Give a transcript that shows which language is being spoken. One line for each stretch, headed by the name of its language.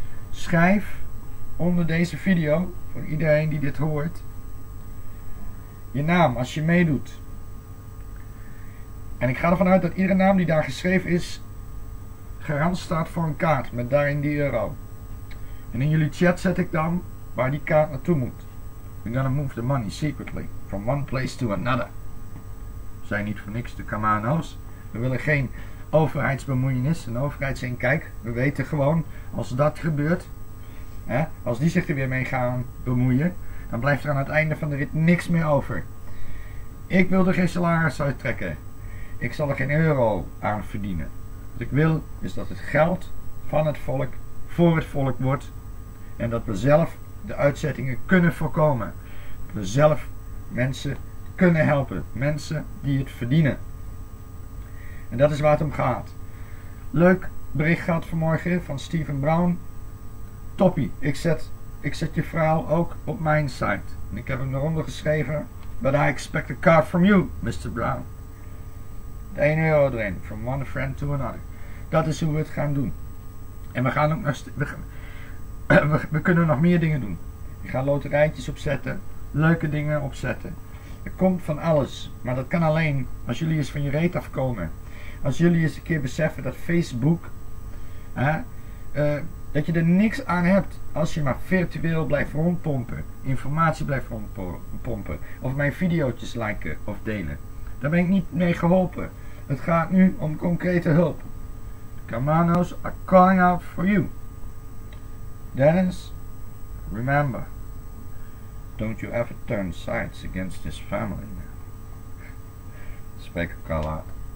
Dutch: Schrijf onder deze video, voor iedereen die dit hoort, je naam als je meedoet. En ik ga ervan uit dat iedere naam die daar geschreven is, garant staat voor een kaart met daarin die euro. En in jullie chat zet ik dan waar die kaart naartoe moet.
English: We're gonna move the money secretly from one place to another.
Dutch: Zijn niet voor niks de Camano's. We willen geen overheidsbemoeienis en overheidsinkijk. We weten gewoon, als dat gebeurt, hè, als die zich er weer mee gaan bemoeien, dan blijft er aan het einde van de rit niks meer over. Ik wil er geen salaris uit trekken. Ik zal er geen euro aan verdienen. Wat ik wil, is dat het geld van het volk voor het volk wordt en dat we zelf de uitzettingen kunnen voorkomen. Dat we zelf mensen kunnen helpen. Mensen die het verdienen. En dat is waar het om gaat. Leuk bericht gehad vanmorgen van Steven Brown. Toppie, ik zet je verhaal ook op mijn site. En ik heb hem eronder geschreven.
English: But I expect a card from you, Mr.
Dutch: Brown. De 1 euro erin,
English: from one friend to another.
Dutch: Dat is hoe we het gaan doen. En we gaan ook nog we kunnen nog meer dingen doen. Ik ga loterijtjes opzetten. Leuke dingen opzetten. Er komt van alles. Maar dat kan alleen als jullie eens van je reet afkomen. Als jullie eens een keer beseffen dat Facebook, dat je er niks aan hebt als je maar virtueel blijft rondpompen. Informatie blijft rondpompen. Of mijn video's liken of delen. Daar ben ik niet mee geholpen. Het gaat nu om concrete hulp.
English: Camano's are calling out for you. Dennis, remember, don't you ever turn sides against this family, man.
Dutch: Spreek ik al uit.